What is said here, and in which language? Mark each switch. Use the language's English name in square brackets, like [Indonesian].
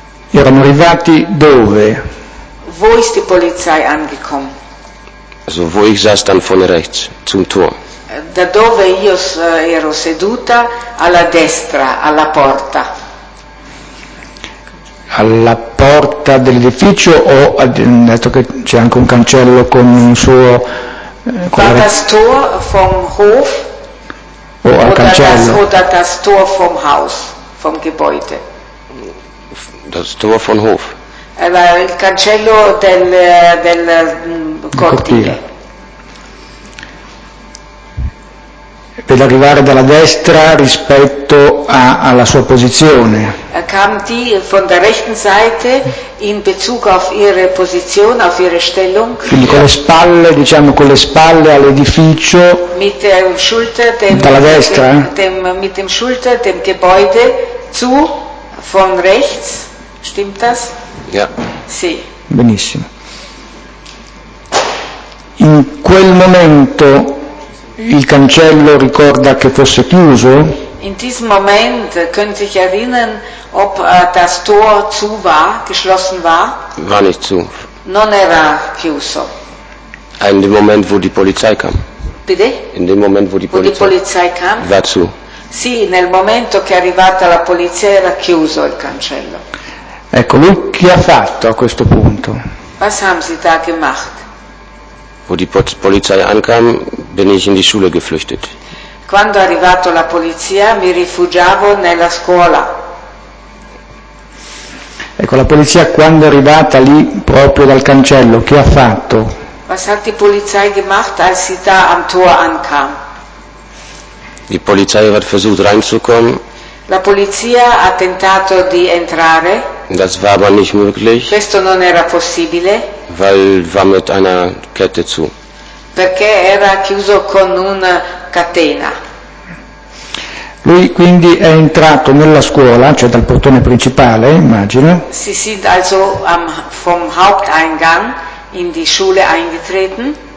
[Italian] Erano arrivati dove? [German] Wo ist die Polizei angekommen? Also wo ich saß, dann von rechts, zum Tor. [Italian] Da dove io ero seduta, alla destra, alla porta. Alla porta dell'edificio o ha detto che c'è anche un cancello con un suo [German] con war das Tor vom Hof [Italian] o al cancello [German] oder das Tor vom Haus vom Gebäude. Das Tor von Hof. [Italian] Il cancello del cortile. Per arrivare dalla destra rispetto alla sua posizione. [German] Kam die von der rechten Seite in Bezug auf ihre Position, auf ihre Stellung. [Italian] Quindi con le spalle, diciamo, con le spalle all'edificio. [German] Mit der Schulter dem, [Italian] dalla destra. [German] Mit dem Schulter dem Gebäude zu von rechts. Stimmt das? Ja. [Italian] Sì. Benissimo. In quel momento il cancello ricorda che fosse chiuso? [German] In diesem Moment können sich erinnern, ob das Tor zu war, geschlossen war? War nicht zu. Non era chiuso. In dem Moment, wo die Polizei kam. Bitte? In dem Moment, wo die Polizei, kam? War zu. [Italian] Sì, nel momento che è arrivata la polizia era chiuso il cancello. Ecco, lui che ha fatto a questo punto? [German] Was haben Sie da gemacht? Wo die Polizei ankam, bin ich in die Schule geflüchtet. [Italian] Quando è arrivato la polizia, mi rifugiavo nella scuola. Ecco, la polizia quando è arrivata lì proprio dal cancello, che ha fatto? [German] Was hat die Polizei gemacht, als sie da am Tor ankam? Die Polizei hat versucht reinzukommen. [Italian] La polizia ha tentato di entrare. [German] Das war aber nicht möglich. [Italian] Questo non era possibile. [German] Weil war mit einer Kette zu. [Italian] Perché era chiuso con una catena. Lui quindi è entrato nella scuola, cioè dal portone principale, immagino. [German] Si sind also vom Haupteingang in die Schule eingetreten.